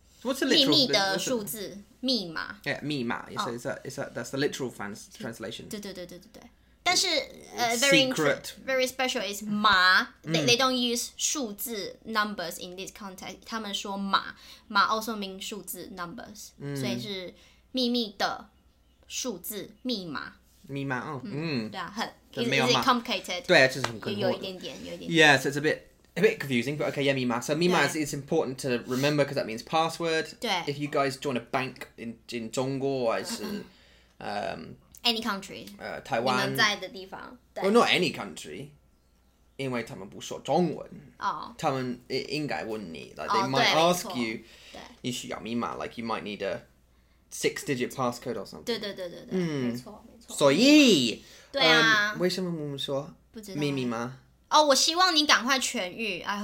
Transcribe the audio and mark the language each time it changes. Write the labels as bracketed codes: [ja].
[en] What's the literal? [zh] 秘密的数字, 密码. [en] Yeah, 密码.Yeah, so that's the literal translation. [zh] 对对对对对对。但是 [en] very special is [zh] 码. [en] They don't use 数字 numbers in this context. [zh] 他们说码 [en] also means [zh] 数字 [en] numbers. [zh] 所以是秘密的数字密码. 密码, oh, 对啊，很 complicated. 对啊，就是很困惑，有一点点。 [en] Yeah, so it's a bit confusing, but okay, yeah, 密码. So 密码 is important to remember because that means password. [zh] 对, [en] if you guys join a bank in [zh] 中国还是 [en] any country, [zh] 台湾，你们在的地方。 [en] Well, not any country, [zh] 因为他们不说中文。 [en] Oh, [zh] 他们应该问你, [en] like they might ask you, [zh] 你需要密码, [en] like you might need a 6-digit passcode or something. [zh] 对对对对对，没错。所以，对啊，为什么我们说秘密吗？哦，我希望你赶快痊愈。I